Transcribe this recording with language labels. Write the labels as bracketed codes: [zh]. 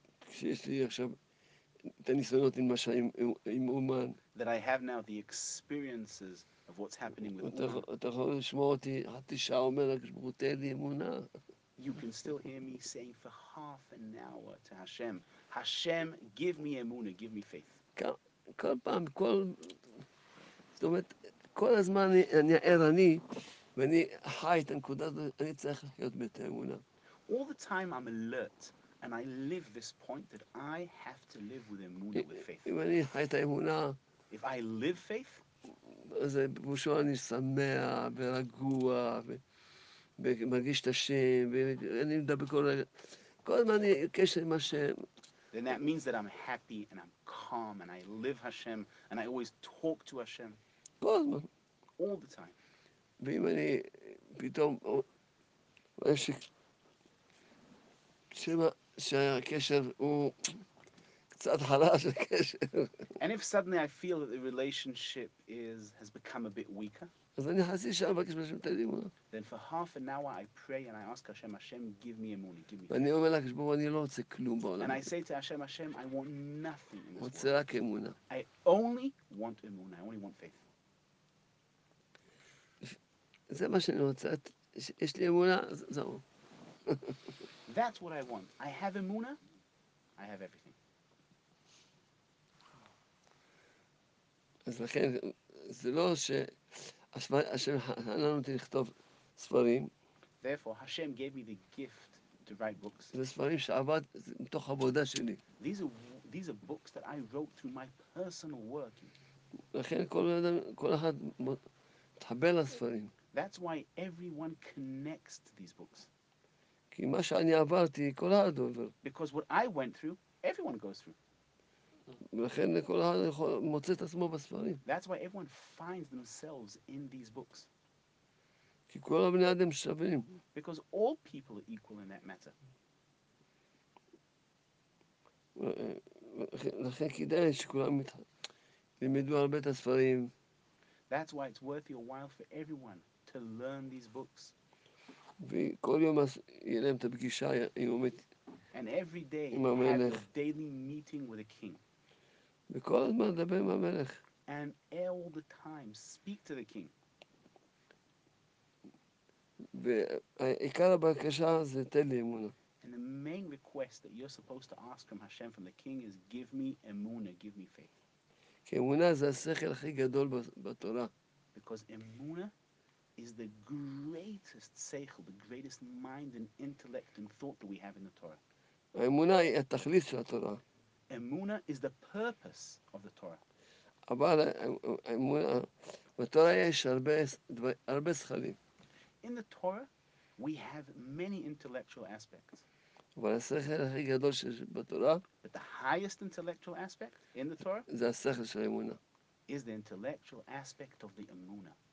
[he] שיש לי עכשיו את הניסיונות עם אומן, [en] that I have now the experiences of what's happening with [he] אומן, אתה יכול לשמוע אותי, התשעה אומר, תן לי אמונה. [en] You can still hear me saying for half an hour to Hashem, Hashem, give me אמונה, give me faith. [he] כל פעם, כל... זאת אומרת, כל הזמן אני ערני ואני חי את הנקודה הזאת, אני צריך להיות באמונה. [en] All the time I'm alert and I live this point that I have to live with אמונה, with faith. [he] אם אני חי את האמונה, [en] if I live faith, [he] אז בפושו אני שמח ורגוע ומרגיש את השם ואני מדבר כל רגע. כל הזמן אני קשר עם השם. [en] Then that means that I'm happy and I'm calm and I live Hashem and I always talk to Hashem. All the time. [he] ואם אני פתאום רואה שהקשר הוא קצת חלש הקשר. [en] And if suddenly I feel that the relationship has become a bit weaker, [he] אז אני חצי שעה מבקש מהשם תן לי אמונה. [en] Then for half an hour I pray and I ask Hashem, Hashem, give me אמונה, give me. [he] ואני אומר לקדוש ברוך הוא, אני לא רוצה כלום בעולם. [en] And I say to Hashem, Hashem, I want nothing in this world. [he] רוצה רק אמונה. [en] I only want אמונה, I only want faith. [he] זה מה שאני רוצה, יש לי אמונה, זהו. [en] That's what I want. I have אמונה, I have everything. [he] אז לכן, זה לא שהשם חנן אותי לכתוב ספרים. [en] Therefore, Hashem gave me the gift to write books. [he] זה ספרים שעבד מתוך עבודה שלי. [en] These are books that I wrote through my personal work. [he] לכן כל אחד מתחבר לספרים. [en] That's why everyone connects to these books. [he] כי מה שאני עברתי, כל אחד עובר. [en] Because what I went through, everyone goes through. [he] ולכן כל אחד מוצא את עצמו בספרים. [en] That's why everyone finds themselves in these books. [he] כי כל הבני אדם שווים. [en] Because all people are equal in that matter. [he] לכן כדאי שכולם ילמדו הרבה את הספרים. [en] That's why it's worth your while for everyone to learn these books. [he] וכל יום יהיה להם את הפגישה עם המלך. [en] And every day you have a daily meeting with a king. [he] וכל הזמן לדבר עם המלך. [en] And all the time speak to the king. [he] ועיקר הבקשה זה תן לי אמונה. [en] And the main request that you're supposed to ask from Hashem, from the king, is give me אמונה, give me faith. [he] כי אמונה זה השכל הכי גדול בתורה. [en] Because אמונה is the greatest seichel, the greatest mind and intellect and thought that we have in the Torah. [he] האמונה היא התכלית של התורה. [en] אמונה is the purpose of the Torah. [he] אבל האמונה, בתורה יש הרבה שכלים. [en] In the Torah, we have many intellectual aspects. [he] אבל השכל הכי גדול שיש בתורה, [en] but the highest intellectual aspect in the Torah, [he] זה השכל של האמונה. [en] Is the intellectual aspect of the אמונה.